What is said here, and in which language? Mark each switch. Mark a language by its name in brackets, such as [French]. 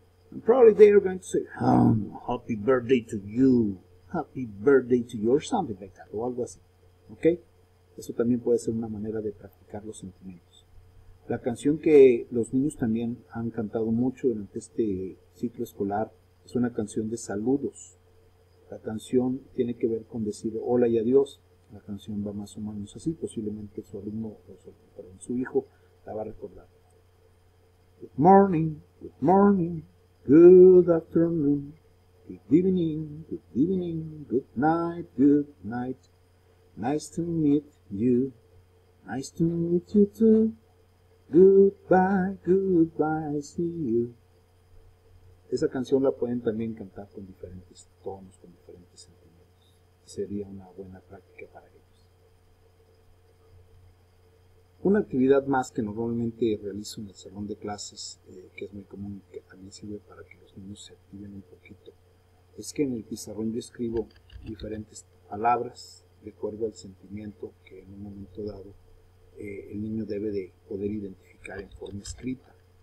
[English] And probably they are going to say, happy birthday to you. Happy birthday to you. Or something like that. [Spanish] O algo así. ¿Ok? Eso también puede ser una manera de practicar los sentimientos. La canción que los niños también han cantado mucho durante este ciclo escolar es una canción de saludos. La canción tiene que ver con decir hola y adiós. La canción va más o menos así. Posiblemente su alumno o su hijo la va a recordar. [English] Good morning, good afternoon, good evening, good night, nice to meet you, nice to meet you too, goodbye, goodbye, see you. [Spanish] Esa canción la pueden también cantar con diferentes tonos, con diferentes sentimientos. Sería una buena práctica para ellos. Una actividad más que normalmente realizo en el salón de clases, que es muy común y que también sirve para que los niños se activen un poquito, es que en el pizarrón yo escribo diferentes palabras de acuerdo al sentimiento que en un momento dado el niño debe de poder identificar en forma escrita.